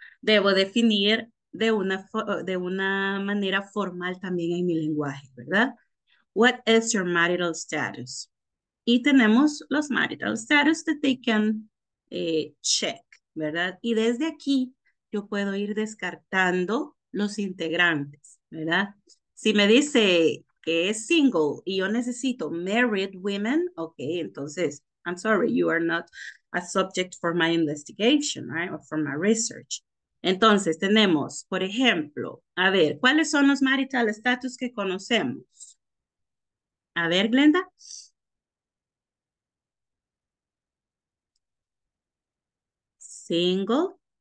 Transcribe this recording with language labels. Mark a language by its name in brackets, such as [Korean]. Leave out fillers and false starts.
[Spanish] Debo definir de una manera formal también en mi lenguaje, ¿verdad? [English] What is your marital status? [Spanish] Y tenemos los [English] marital status that they can check, [Spanish] ¿verdad? Y desde aquí yo puedo ir descartando los integrantes, ¿verdad? Si me dice que es [English] single [Spanish] y yo necesito [English] married women, ok, [Spanish] entonces, [English] I'm sorry, you are not a subject for my investigation, right? Or for my research. [Spanish] Entonces, tenemos, por ejemplo, a ver, ¿cuáles son los marital status que conocemos? A ver, Glenda. [English] Single.